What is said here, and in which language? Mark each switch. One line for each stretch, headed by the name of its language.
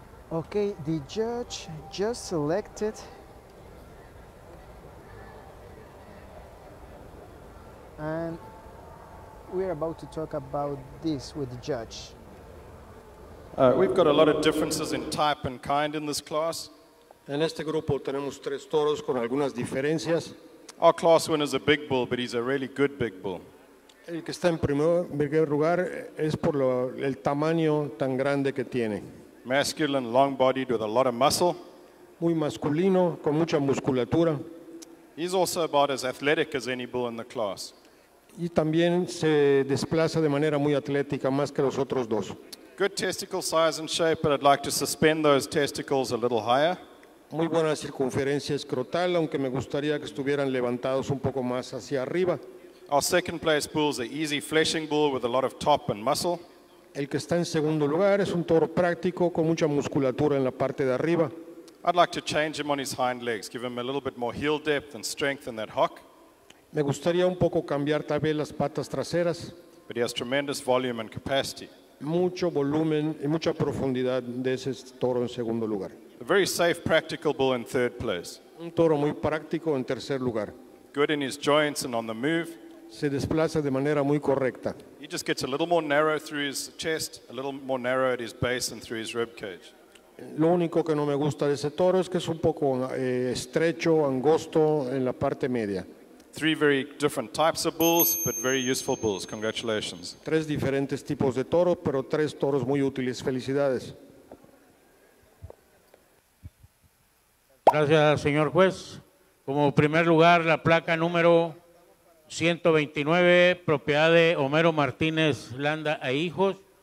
English: Okay, the judge just selected and we're about to talk about this with the judge. We've got a lot of differences in type and kind in this class.
Spanish: En este grupo tenemos 3 toros con algunas diferencias.
English: Our class winner is a big bull, but he's a really good big bull.
Spanish: El que está en primer lugar es por el tamaño tan grande que tiene.
English: Masculine, long-bodied, with a lot of muscle.
Spanish: Muy masculino, con mucha musculatura.
English: He's also about as athletic as any bull in the class.
Spanish: Y también se desplaza de manera muy atlética, más que los otros 2.
English: Good testicle size and shape, but I'd like to suspend those testicles a little higher.
Spanish: Muy buena circunferencia escrotal, aunque me gustaría que estuvieran levantados un poco más hacia arriba.
English: Our second place bull is an easy fleshing bull with a lot of top and muscle.
Spanish: El que está en segundo lugar es un toro práctico con mucha musculatura en la parte de arriba.
English: I'd like to change him on his hind legs, give him a little bit more heel depth and strength in that hock.
Spanish: Me gustaría un poco cambiar tal vez las patas traseras.
English: But he has tremendous volume and capacity.
Spanish: Mucho volumen y mucha profundidad de ese toro en segundo lugar.
English: A very safe, practical bull in third place.
Spanish: Un toro muy práctico en tercer lugar.
English: Good in his joints and on the move.
Spanish: Se desplaza de manera muy correcta.
English: He just gets a little more narrow through his chest, a little more narrow at his base and through his rib cage.
Spanish: Lo único que no me gusta de ese toro es que es un poco estrecho, angosto en la parte media.
English: 3 very different types of bulls, but very useful bulls. Congratulations.
Spanish: 3 diferentes tipos de toro, pero 3 toros muy útiles. Felicidades. Gracias, señor juez. Como primer lugar, la placa número 129, propiedad de Homero Martínez Landa e hijos.